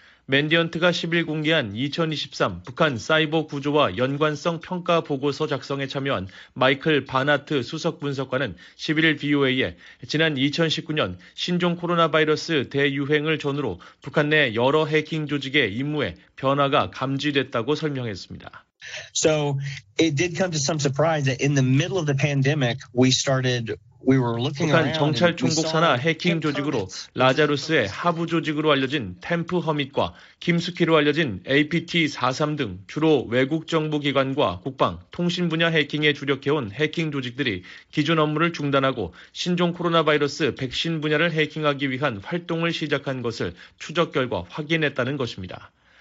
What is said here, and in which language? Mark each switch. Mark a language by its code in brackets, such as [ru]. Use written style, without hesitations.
[ko] 맨디언트가 10일 공개한 2023 북한 사이버 구조와 연관성 평가 보고서 작성에 참여한 마이클 바나트 수석 분석관은 11일 BOA에 지난 2019년 신종 코로나 바이러스 대유행을 전후로 북한 내 여러 해킹 조직의 임무에 변화가 감지됐다고 설명했습니다. [en] So it did come to some surprise that in the middle of the pandemic we started [ko] 북한 정찰 중국 산하 해킹 조직으로 라자루스의 하부 조직으로 알려진 템프 허밋과 김숙희로 알려진 APT43 등 주로 외국 정부 기관과 국방, 통신 분야 해킹에 주력해온 해킹 조직들이 기존 업무를 중단하고 신종 코로나 바이러스 백신 분야를 해킹하기 위한 활동을 시작한 것을 추적 결과 확인했다는 것입니다.